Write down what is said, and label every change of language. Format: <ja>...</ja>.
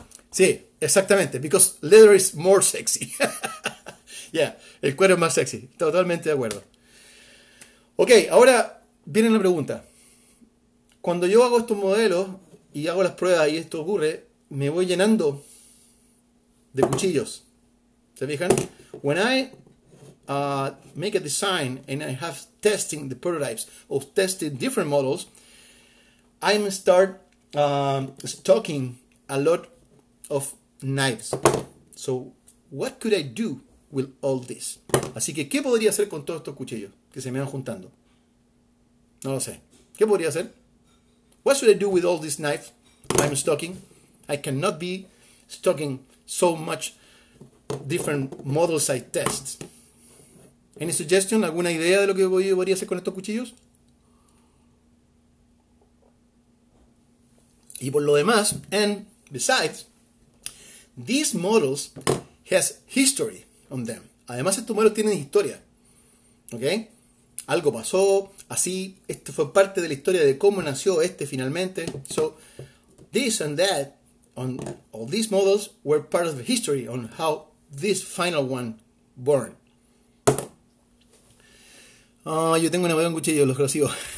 <es>Sí, exactamente.</es> <en>Because leather is more sexy. Yeah,</en> <es>el cuero es más sexy. Totalmente de acuerdo. Ok, ahora viene la pregunta. Cuando yo hago estos modelos y hago las pruebas y esto ocurre, me voy llenando de cuchillos. ¿Se fijan?</es> <en>Make a design and I have testing the prototypes or testing different models, I'm stocking a lot of knives. So what could I do with all this?</en> <es>Así que, ¿qué podría hacer con todos estos cuchillos que se me van juntando? No lo sé. ¿Qué podría hacer?</es> <en>What should I do with all these knives I'm stocking? I cannot be stocking so much different models I test. Any suggestion?</en> <es>¿Alguna idea de lo que podría hacer con estos cuchillos? Y por lo demás,</es> <en>and besides, these models has history on them.</en> <es>Además, estos modelos tienen historia. ¿Ok? Algo pasó, así, esto fue parte de la historia de cómo nació este finalmente.</es> <en>So, this and that, on all these models, were part of the history on how this final one born.</en> <es>Oh, yo tengo una buena cuchilla, los recibo.</es>